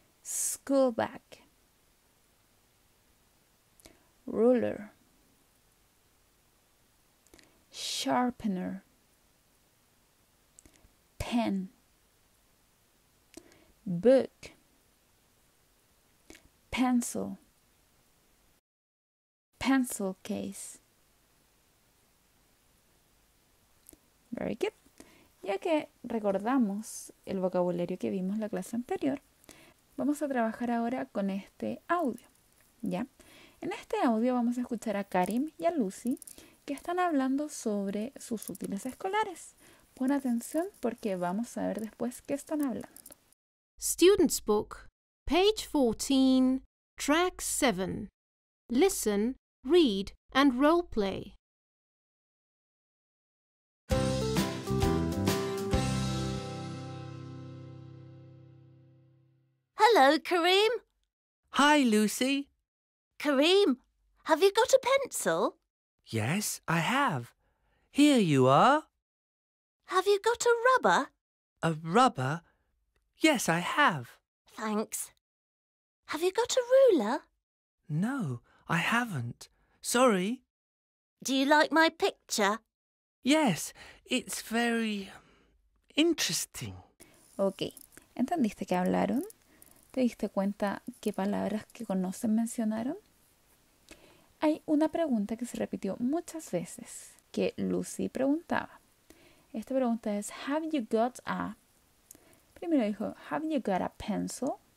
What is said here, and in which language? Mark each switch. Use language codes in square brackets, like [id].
[en] School bag, ruler, sharpener, pen, book, pencil case. Very good. [es] Ya que recordamos el vocabulario que vimos en la clase anterior, vamos a trabajar ahora con este audio, ¿ya? En este audio vamos a escuchar a Karim y a Lucy que están hablando sobre sus útiles escolares. Pon atención porque vamos a ver después qué están hablando. [en] Students' book, page 14, track 7. Listen, read, and role play. Hello, Karim. Hi, Lucy. Karim, have you got a pencil? Yes, I have. Here you are. Have you got a rubber? A rubber? Yes, I have. Thanks. Have you got a ruler? No, I haven't. Sorry. Do you like my picture? Yes, it's very interesting. [es] Okay, ¿entendiste que hablaron? ¿Te diste cuenta qué palabras que conocen mencionaron? Hay una pregunta que se repitió muchas veces, que Lucy preguntaba. Esta pregunta es, [en] ¿have you got a? [es] Primero dijo, [en] ¿have you got a pencil?